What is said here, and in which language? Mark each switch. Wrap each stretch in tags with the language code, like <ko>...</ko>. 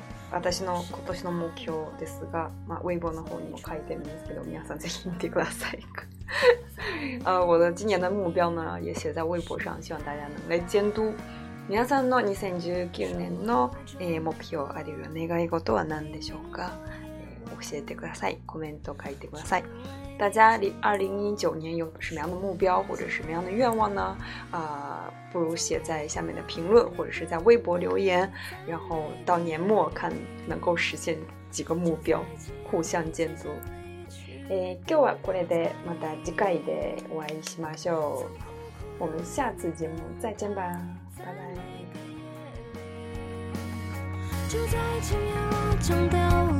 <ja>私の今年の目標ですが、まあ、微博の方にも書いてるんですけど、皆さんぜひ見てください。</ja> <zh>我的今年的目标呢也写在微博上，希望大家能来监督。</zh> <ja>皆さんの2019年の、目標あるいは願い事は何でしょうか？教えてください。コメント書いてください。</ja> <zh>大家2019年有什么样的目标或者什么样的愿望呢？不如写在下面的评论或者是在微博留言，然后到年末看能够实现几个目标，互相监督。</zh> <ja>今日はこれでまた次回でお会いしましょう。</ja> <zh>我们下次节目再见吧，拜拜。就在</zh>